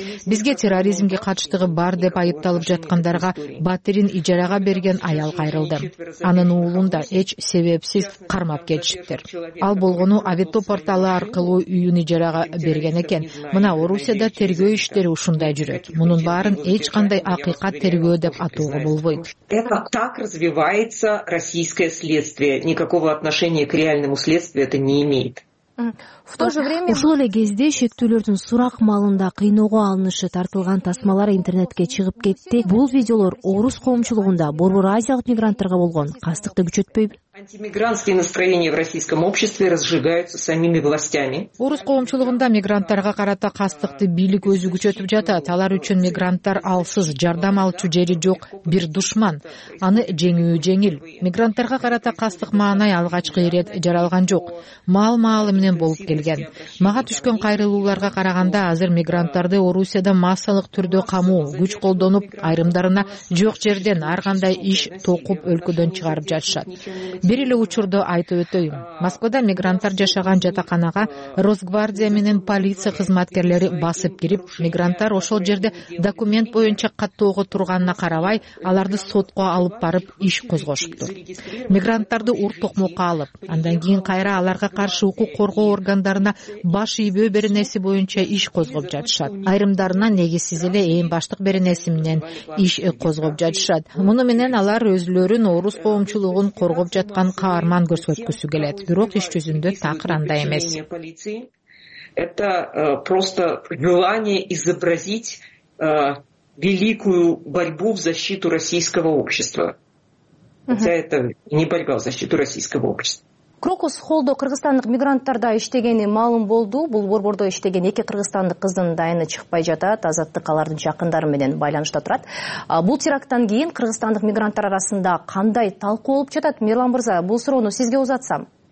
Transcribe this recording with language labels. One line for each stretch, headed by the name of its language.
Kyrgyz: Бизге терроризмге катыштыгы бар деп айыпталып жаткандарга батирин ижарага берген аял кайрылды. Анын уулун да эч себепсиз кармап кетишиптир. Ал болгону авито порталы аркылуу үйүн ижарага берген экен. Мына Орусияда тергөө иштери ушундай жүрөт. Мунун баарын эч кандай акыйкат тергөө деп атоого болбойт.
Russian: Это так развивается российское следствие. Никакого отношения к реальному следствию это не имеет. В то же время
Kyrgyz: ушул эле кезде шектүүлөрдүн сурак маалында кыйноого алынышы тартылган тасмалар интернетке чыгып кетти. Бул видеолор орус коомчулугунда борбор азиялык мигранттарга болгон кастыкты күчөтпөйбү?
Russian: Антимигрантские настроения в российском обществе разжигаются самими властями.
Kyrgyz: Орус коомчулугунда мигранттарга карата кастыкты бийлик өзү күчөтүп жатат. Алар үчүн мигранттар алсыз жардам алчу жери жок, бир душман. Аны жеңүү жеңил. Мигранттарга карата кастык маанай алгачкы ирет жаралган жок. Мал маалы менен болуп келген. Мага түшкөн кайрылууларга караганда азыр мигранттарды Орусияда массалык түрдө камоо, күч колдонуп, айрымдарына жок жерден ар кандай иш токуп өлкөдөн чыгарып жатышат. Бир эле учурду айтып өтөйүн. Москвада мигранттар жашаган жатаканага Росгвардия менен полиция кызматкерлери басып кирип, мигранттар ошол жерде документ боюнча каттоого турганына карабай, аларды сотко алып барып иш козгошуптур. Мигранттарды урттук мокко алып, андан кийин кайра аларга каршы укук коргоо органдарына баш ийбөө беренеси боюнча иш козгоп жатышат. Айрымдарына негизсиз эле ээн баштык беренеси менен иш козгоп жатышат. Муну менен алар өзлөрүн орус коомчулугун коргоп жаткан каарман көрсөткүсү келет. Бирок иш жүзүндө такыр андай эмес.
Russian: Это просто желание изобразить великую борьбу в защиту российского общества. Хотя это не борьба в защиту российского общества.
Kyrgyz: Крокус холдо кыргызстандык мигранттарда иштегени маалым болду. Бул борбордо иштеген эки кыргызстандык кыздын дайыны чыкпай жатат. Азаттык алардын жакындары менен байланышта турат. Бул терактан кийин кыргызстандык мигранттар арасында кандай талкуу болуп жатат? Мирлан мырза, бул суроону сизге узатсам.